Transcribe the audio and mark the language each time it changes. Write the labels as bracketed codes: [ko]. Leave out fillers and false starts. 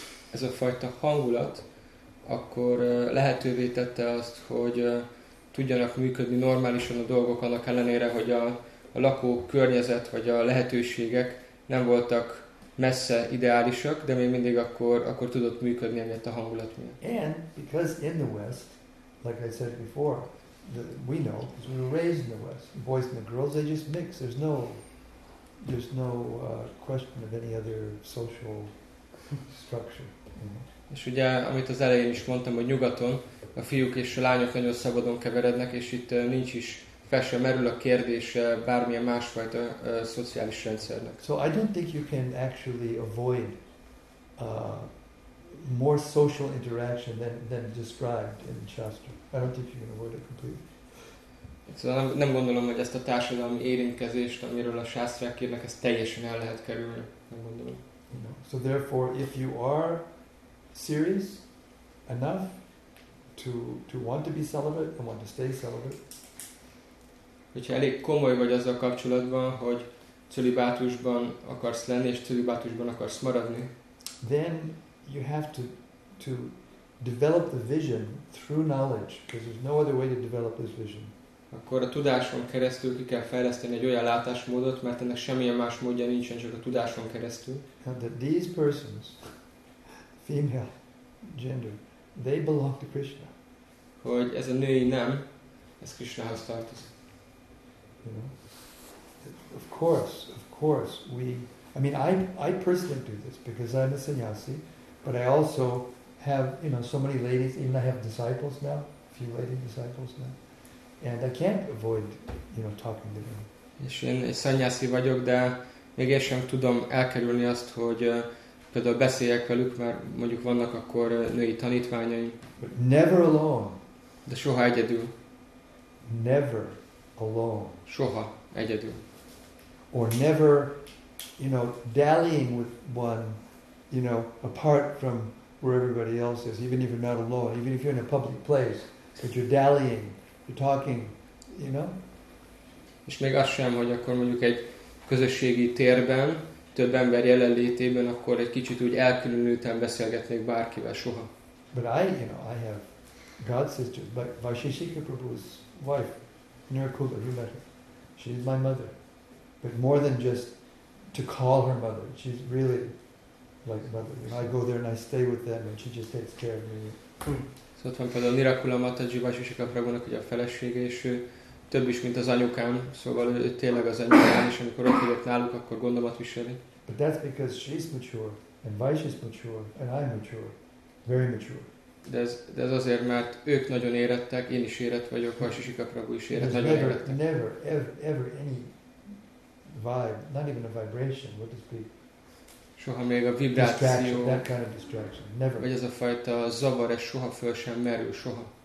[hu] Ez a fajta hangulat akkor lehetővé tette azt, hogy tudjanak működni normálisan a dolgok, annak ellenére, hogy a lakó környezet vagy a lehetőségek nem voltak messze ideálisak, de még mindig akkor tudott működni emiatt a hangulat miatt. [en] And because in the West, like I said before, we know, because we were raised in the West, the boys and the girls, they just mix. There's no question of any other social structure. [hu] És ugye, amit az elején is mondtam, hogy nyugaton a fiúk és a lányok nagyon szabadon keverednek, és itt nincs is fel sem merül a kérdése bármilyen másfajta szociális rendszernek. [en] So I don't think you can actually avoid more social interaction than described in Shastra. I don't think you can avoid it completely. [hu] Szóval nem gondolom, hogy ezt a társadalmi érintkezést, amiről a sásztrák kérnek, ezt teljesen el lehet kerülni. Nem gondolom. [en] No. So therefore, if you are serious enough to want to be celibate and want to stay celibate. [hu] Hogyha elég komoly vagy azzal kapcsolatban, hogy cölibátusban akarsz lenni és cölibátusban akarsz maradni. [en] Then you have to develop the vision through knowledge, because there's no other way to develop this vision. [hu] Akkor a tudáson keresztül ki kell fejleszteni egy olyan látásmódot, mert ennek semmilyen más módja nincsen, csak a tudáson keresztül. [en] That these persons, female gender, they belong to Krishna. [hu] Hogy ez a női nem, ez Krishnahoz tartozik. [en] You know? Of course, we. I mean, I personally do this because I'm a sannyasi, but I also have, you know, so many ladies. Even I have disciples now, a few lady disciples now, and I can't avoid, you know, talking to them. [hu] És én sannyasi vagyok, de még én sem tudom elkerülni azt, hogy például beszéljek velük, mert mondjuk vannak akkor női tanítványai. [en] But never alone. [hu] De soha egyedül. [en] Never alone. [hu] Soha egyedül. [en] Or never, you know, dallying with one, you know, apart from where everybody else is, even if you're not alone, even if you're in a public place, but you're dallying, you're talking, you know? [hu] És még az sem, hogy akkor mondjuk egy közösségi térben, több ember jelenlétében, akkor egy kicsit úgy elkülönülten beszélgetnék bárkivel, soha. [en] But I, you know, I have God sisters, but Vaisheshika Prabhu's wife, Nirkula, you met her. She's my mother. But more than just to call her mother, she's really like mother. And I go there and I stay with them and she just takes care of me. [hu] So ott van például Nirakula Mataji, Vaisheshika Prabhunak ugye a felesége, és ő több is, mint az anyukám. Szóval ő tényleg az anyukám, és amikor ott vagyok náluk, akkor gondomat viseli. [en] But that's because she's mature, and Vaisheshika is mature, and I'm mature. Very mature. [hu] De ez azért, mert ők nagyon érettek, én is érett vagyok, Vaisheshika Prabhu is érett, nagyon érettek. [en] Never, ever any vibe, not even a vibration, what to speak. [hu] Soha még a vibráció, [en] that kind of distraction, never. [hu] Vagy ez a fajta zavar, ez soha föl sem merül, soha.